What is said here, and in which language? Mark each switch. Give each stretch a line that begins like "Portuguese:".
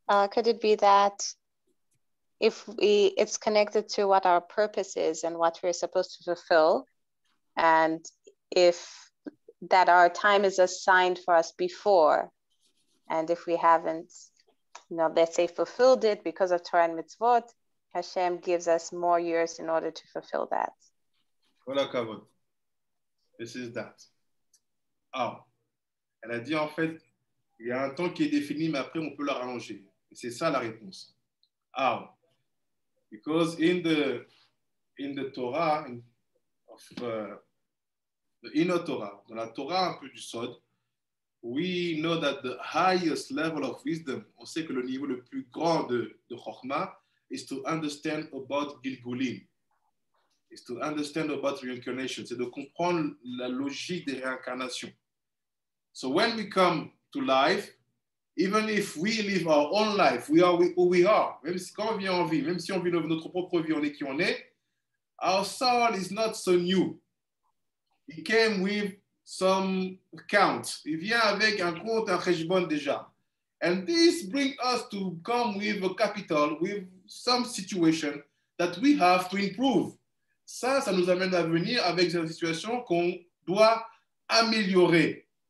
English: Could it be that if it's connected to what our purpose is and what we're supposed to fulfill, and if that our time is assigned for us before, and if we haven't, you know, let's say fulfilled it because of Torah and Mitzvot, Hashem gives us more years in order to fulfill that. Voilà, Kavod. This is that.
French: Ah, elle a dit en fait, il y a un temps qui est défini, mais après on peut l'arranger. C'est ça la réponse.
English: How? Because in the Torah, the inner Torah,
French: dans la Torah un peu du Sod,
English: we know that the highest level of wisdom,
French: on sait que le niveau le plus grand de Chochmah
English: is to understand about Gilgulim, is to understand about reincarnation,
French: c'est de comprendre la logique des réincarnations.
English: So when we come to life, even if we live our own life, we are who we are.
French: Même si quand on vit en vie, même si on vit notre propre vie, on est qui on est.
English: Our soul is not so new. It came with some count.
French: Il vient avec un compte, un cheshbon déjà.
English: And this brings us to come with a capital, with some situation that we have to improve.
French: Ça, ça nous amène à venir avec une situation qu'on doit améliorer.